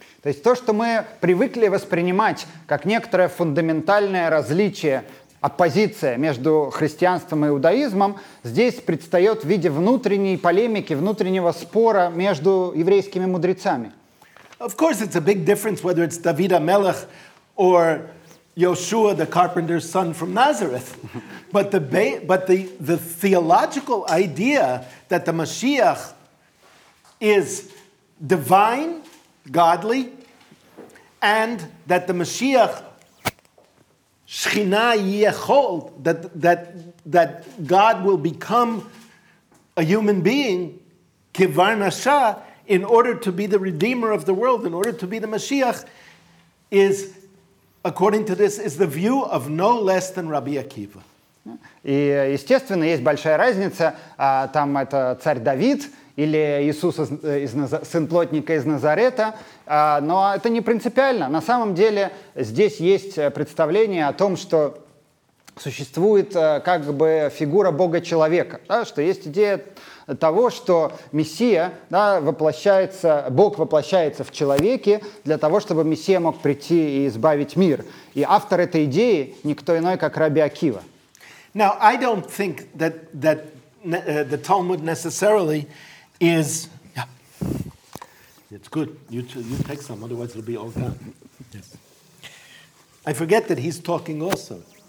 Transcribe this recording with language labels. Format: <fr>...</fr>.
<ru>То есть то, что мы привыкли воспринимать как некоторое фундаментальное различие, оппозиция между христианством и иудаизмом, здесь предстает в виде внутренней полемики, внутреннего спора между еврейскими мудрецами.</ru> <en>Of course, it's a big difference whether it's David HaMelech or Yoshua, the carpenter's son from Nazareth. But the theological idea that the Mashiach is divine, godly, and that the Mashiach Shechinah Yechol, that God will become a human being, Kivar Nasha, in order to be the Redeemer of the world, in order to be the Mashiach, is, according to this, is the view of no less than Rabbi Akiva.</en> <ru>И, естественно, есть большая разница, там это царь Давид или Иисус, сын плотника из Назарета, но это не принципиально. На самом деле здесь есть представление о том, что существует как бы фигура Бога-человека, да, что есть идея того, что Мессия, да, воплощается, Бог воплощается в человеке для того, чтобы Мессия мог прийти и избавить мир. И автор этой идеи никто иной, как Раби Акива.</ru> <en>Now, I don't think that the Talmud necessarily is... Yeah. It's good. You take some, otherwise it'll be all gone. Yes. I forget that he's talking also.</en>